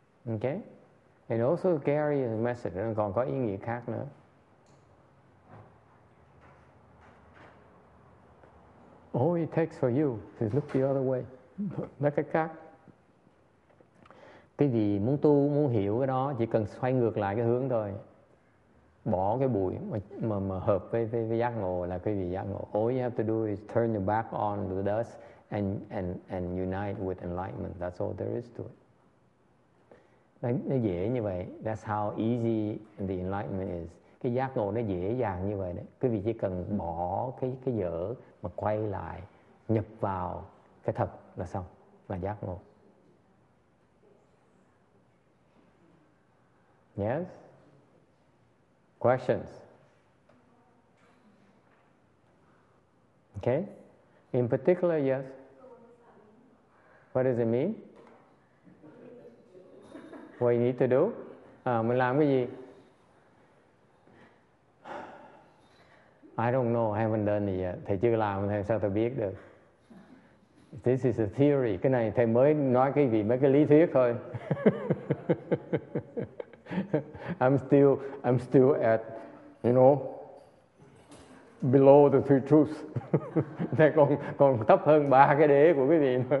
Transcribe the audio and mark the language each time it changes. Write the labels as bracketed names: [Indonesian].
[English] Okay. And also carry a message, [Vietnamese] nó còn có ý nghĩa khác nữa. [English] All it takes for you to look the other way. Look at that. [Vietnamese] Cái gì muốn tu, muốn hiểu cái đó, chỉ cần xoay ngược lại cái hướng thôi. Bỏ cái bụi mà hợp với giác ngộ là cái gì giác ngộ. [English] All you have to do is turn your back on the dust and unite with enlightenment. That's all there is to it. [Vietnamese] Nó dễ như vậy. [English] That's how easy the enlightenment is. [Vietnamese] Cái giác ngộ nó dễ dàng như vậy đấy. Quý vị chỉ cần bỏ cái dở mà quay lại, nhập vào cái thật là xong, là giác ngộ. [English] Yes? Questions? Okay? In particular, yes? So what does it mean? What you need to do? [Vietnamese] Mình làm cái gì? [English] I don't know. I haven't done it yet. [Vietnamese] Thầy chưa làm, thầy sao tôi biết được? [English] This is a theory. [Vietnamese] Cái này thầy mới nói cái gì, mấy cái lý thuyết thôi. [English] I'm still at, you know, below the three truths. [Vietnamese] Này còn thấp hơn ba cái đế của quý vị.